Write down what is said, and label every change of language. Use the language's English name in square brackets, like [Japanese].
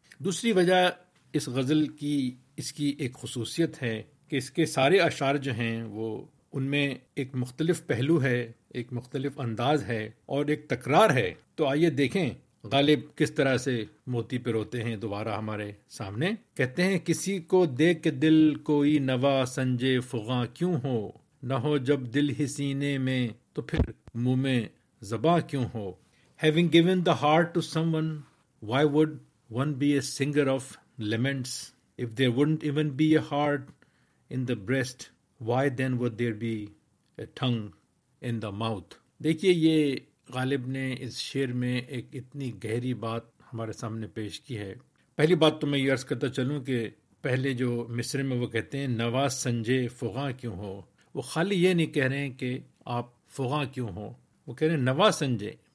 [Urdu] دوسری وجہ اس غزل کی اس کی ایک خصوصیت ہے کہ اس کے سارے اشعار جو ہیں وہ ان میں ایک مختلف پہلو ہے ایک مختلف انداز ہے اور ایک تکرار ہے. تو آئیے دیکھیں غالب کس طرح سے موتی پہ روتے ہیں. دوبارہ ہمارے سامنے کہتے ہیں کسی کو دیکھ کے دل کوئی نوا سنجے فغاں کیوں ہو نہ ہو جب دل ہی سینے میں تو پھر منہ میں زباں کیوں ہو [English] Having given the heart to someone, why would one be a singer of laments? If there wouldn't even be a heart in the breast, why then would there be a tongue in the mouth? [Urdu] دیکھیے یہ غالب نے اس شعر میں ایک اتنی گہری بات ہمارے سامنے پیش کی ہے. پہلی بات تو میں یہ عرض کرتا چلوں کہ پہلے جو مصرے میں وہ کہتے ہیں نواز سنجے فغاں کیوں ہو, وہ خالی یہ نہیں کہہ رہے ہیں کہ آپ فغاں کیوں ہو, وہ کہہ رہے ہیں نواز سنجے.